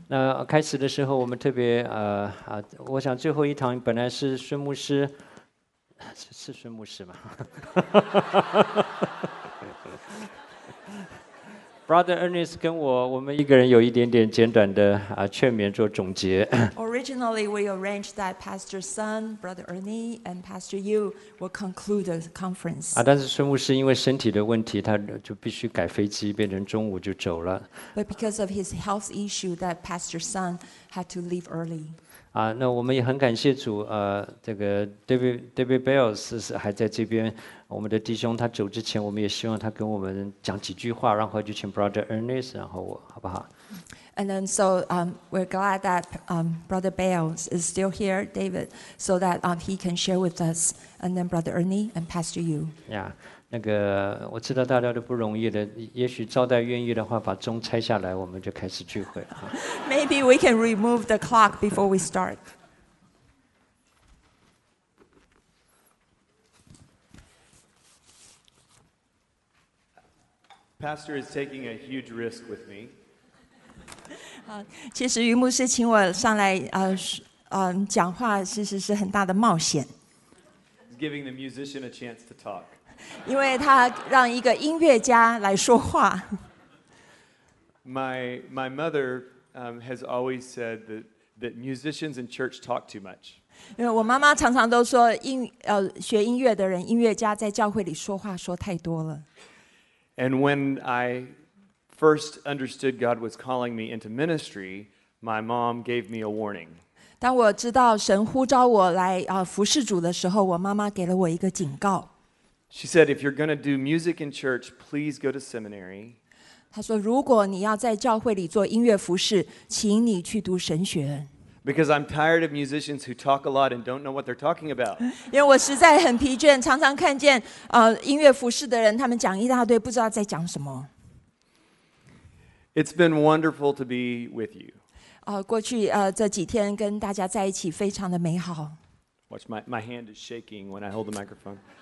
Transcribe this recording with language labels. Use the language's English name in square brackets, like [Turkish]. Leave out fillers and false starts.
[Chinese] 那开始的时候，我们特别我想最后一堂本来是孙牧师，是孙牧师吗？Brother Ernest 跟我们一个人有一点点简短的劝勉做总结。 [English] Originally, we arranged that Pastor Sun, Brother Ernie, and Pastor Yu will conclude the conference. [Chinese] 但是孙牧师因为身体的问题，他就必须改飞机，变成中午就走了。 [English] But because of his health issue, that Pastor Sun had to leave early. [Chinese] 那我们也很感谢主，这个 David Bell 是还在这边。我们的弟兄他走之前，我们也希望他跟我们讲几句话，然后就请 Brother Ernest， 然后我，好不好？ [English] And then so we're glad that Brother Bales is still here, David, so that he can share with us. And then Brother Ernie and Pastor Yu. [Chinese] Yeah, 那个我知道大家都不容易的，也许招待愿意的话，把钟拆下来，我们就开始聚会了。 [English] Maybe we can remove the clock before we start. Pastor is taking a huge risk with me. [Chinese] 其实于牧师请我上来讲话，其实是很大的冒险。 [English] Giving the musician a chance to talk. [Chinese] 因为他让一个音乐家来说话。 [English] My mother has always said that musicians in church talk too much. [Chinese] 因为我妈妈常常都说，学音乐的人，音乐家在教会里说话说太多了。 [English] And when I first understood God was calling me into ministry, my mom gave me a warning. [Chinese] 当我知道神呼召我来服侍主的时候，我妈妈给了我一个警告。 [English] She said, "If you're going to do music in church, please go to seminary." [Chinese] 她说，如果你要在教会里做音乐服侍，请你去读神学。 [English] Because I'm tired of musicians who talk a lot and don't know what they're talking about. [Chinese] 因为我实在很疲倦，常常看见音乐服事的人，他们讲一大堆，不知道在讲什么。 [English] It's been wonderful to be with you. [Chinese] 过去这几天跟大家在一起，非常的美好。 [English] Watch my hand is shaking when I hold the microphone.